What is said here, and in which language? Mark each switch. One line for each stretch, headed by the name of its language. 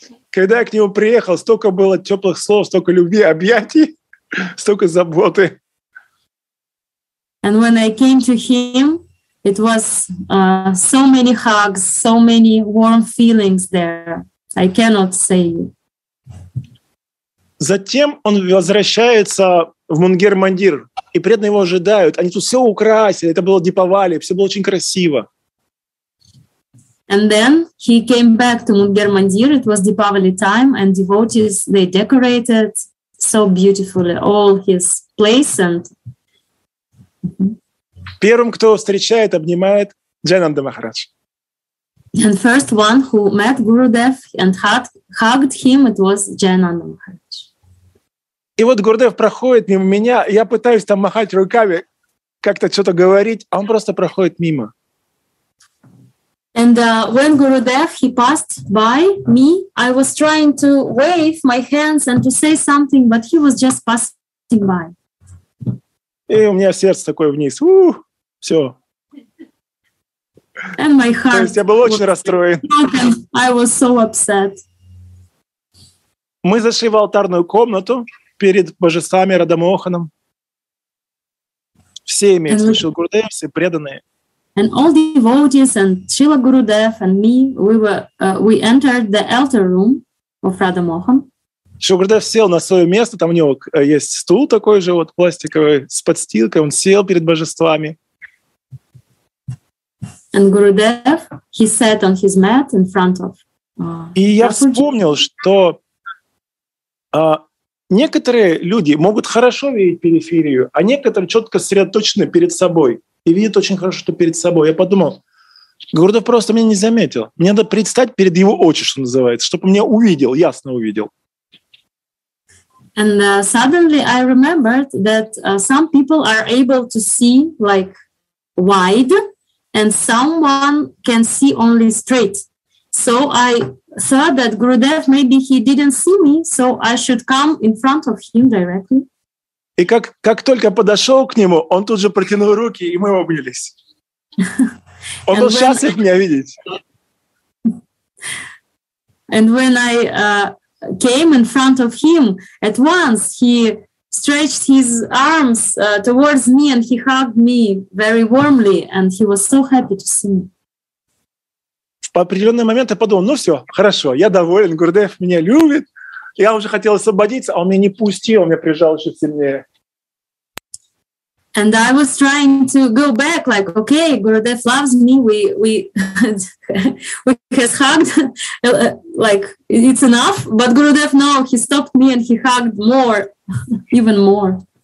Russian: Когда я к нему приехал, столько было теплых слов, столько любви, объятий, столько заботы.
English: And when I came to him, it was so many hugs, so many warm feelings there. I cannot say.
Russian: Затем он возвращается в Мунгер-Мандир, и преданные его ожидают. Они тут все украсили, это было Дипавали, все было очень красиво.
English: And then he came back to Munger Mandir. It was Deepavali time, and devotees, they decorated so beautifully all his place. And
Russian: первым, кто встречает, обнимает, Джайнанда Махарадж.
English: And first one who met Gurudev and hugged him, it was Джайнанда Махарадж.
Russian: И вот Гурудев проходит мимо меня, я пытаюсь там махать руками, как-то что-то говорить, а он просто проходит мимо.
English: And when Gurudev, he passed by me, I was trying to wave my hands and to say something, but he was just passing by.
Russian: И у меня сердце такое вниз. Все.
English: And my heart.
Russian: То есть я был очень расстроен.
English: I was so upset.
Russian: Мы зашли в алтарную комнату перед божествами Радамоханом. Все имеют слышал Гурудев, все преданные.
English: And all devotees and Srila Gurudev and me, we entered the altar room of Radha Mohan.
Russian: Srila Gurudev сел на свое место, там у него есть стул такой же вот пластиковый с подстилкой, он сел перед божествами.
English: And Gurudev, he sat on his mat in front of.
Russian: И я вспомнил, что некоторые люди могут хорошо видеть периферию, а некоторые четко сосредоточены перед собой. И видит очень хорошо, что перед собой. Я подумал, Гурудев просто меня не заметил. Мне надо предстать перед его очи, что называется, чтобы меня увидел, ясно увидел.
English: And suddenly I remembered that some people are able to see like wide, and someone can see only straight. So I thought that Gurudev maybe he didn't see me, so I should come in front of him directly.
Russian: И как только подошел к нему, он тут же протянул руки, и мы обнялись. Он был счастлив меня видеть.
English: And when I came in front of him, at once he stretched his arms towards me and he hugged me very warmly, and he was so happy to see me.
Russian: В определенный момент я подумал, ну все, хорошо, я доволен, Гурудев меня любит. Я уже хотел освободиться, а он меня не пустил, он меня прижал еще сильнее.
English: And I was trying to go back, like, okay, Gurudev loves me, we has hugged, like, it's enough. But Gurudev, no, he stopped me and he hugged more, even more.